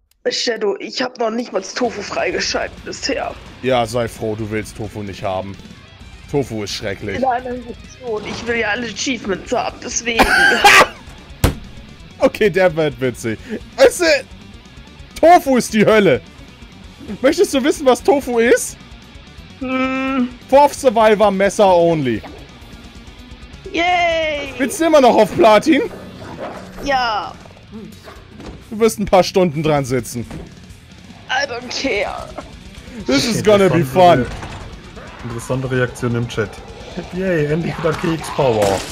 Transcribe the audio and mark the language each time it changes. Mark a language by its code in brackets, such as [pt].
[de] Shadow, ich habe noch nicht mal das Tofu freigeschaltet bisher. Ja, sei froh, du willst Tofu nicht haben. Tofu ist schrecklich. Ich will ja alle Achievements haben, deswegen. Okay, der wird witzig. Weißt du, Tofu ist die Hölle. Möchtest du wissen, was Tofu ist? Fourth Survivor Messer only. Yay! Bist du immer noch auf Platin? Ja. Du wirst ein paar Stunden dran sitzen. [en] I don't care. This is gonna be fun. [de] Interessante Reaktion im Chat. Yay, endlich wieder Keks Power.